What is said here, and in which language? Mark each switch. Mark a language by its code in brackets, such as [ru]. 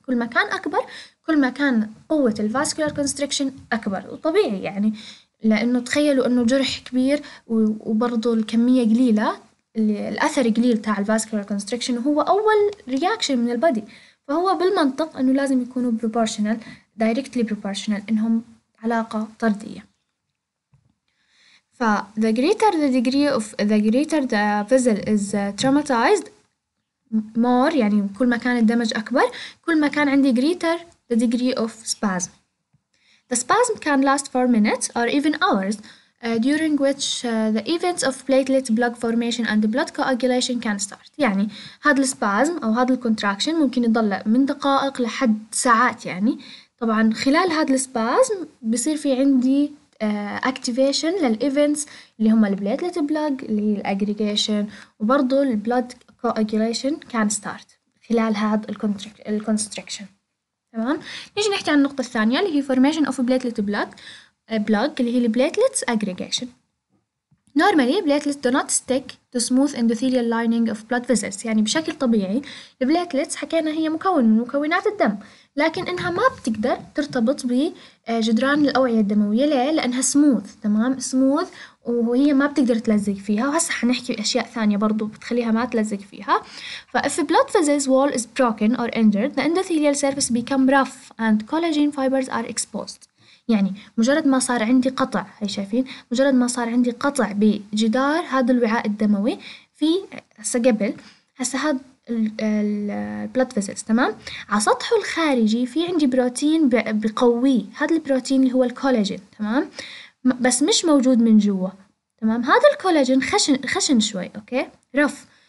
[ar] كل ما كان اكبر كل ما كان قوه الفاسكولار كونستريكشن اكبر، وطبيعي يعني لانه تخيلوا انه جرح كبير وبرضه الكميه قليله، الاثر قليل تاع الفاسكولار كونستريكشن، وهو اول رياكشن من البادي، فهو بالمنطق انه لازم يكونوا بروبورشنال، دايركتلي بروبورشنال، انهم علاقه طرديه. [en] ف the greater the degree of the greater the vessel is traumatized more، [ar] يعني كل ما كان الدمج اكبر كل ما كان عندي [en] greater the degree of spasm. The spasm can last for minutes or even hours during which the events of platelet blood formation and the blood coagulation can start. [ar] يعني هذا السبازم أو هذا الكونتراكشن ممكن يضل من دقائق لحد ساعات. يعني طبعا خلال هذا السبازم بصير في عندي activation للإيفنتس اللي هما البلاتلت بلاج اللي هي الأجريجيشن وبرضو البلاد كواجيليشن كان ستارت خلال هذا الكونستريكشن، تمام؟ نيجي نحكي عن النقطة الثانية اللي هي [en] formation of platelet blood [ar] بلاج اللي هي البلاتلت أجريجيشن. [en] Normally platelets do not stick to smooth endothelial lining of blood vessels. [ar] يعني بشكل طبيعي البلاتلتس حكينا هي مكون من مكونات الدم، لكن انها ما بتقدر ترتبط بجدران الأوعية الدموية. ليه؟ لأنها smooth، تمام؟ smooth وهي ما بتقدر تلزق فيها، وهسه حنحكي أشياء ثانية برضو بتخليها ما تلزق فيها. [en] ف if blood vessels wall is broken or injured the endothelial surface become rough and collagen fibers are exposed. [ar] يعني مجرد ما صار عندي قطع، هاي شايفين، مجرد ما صار عندي قطع بجدار هذا الوعاء الدموي، في هسه قبل هسه هذا البلاد فيزلز، تمام؟ على سطحه الخارجي في عندي بروتين بقوي، هذا البروتين اللي هو الكولاجين، تمام؟ بس مش موجود من جوا، تمام؟ هذا الكولاجين خشن شوي، اوكي، رف.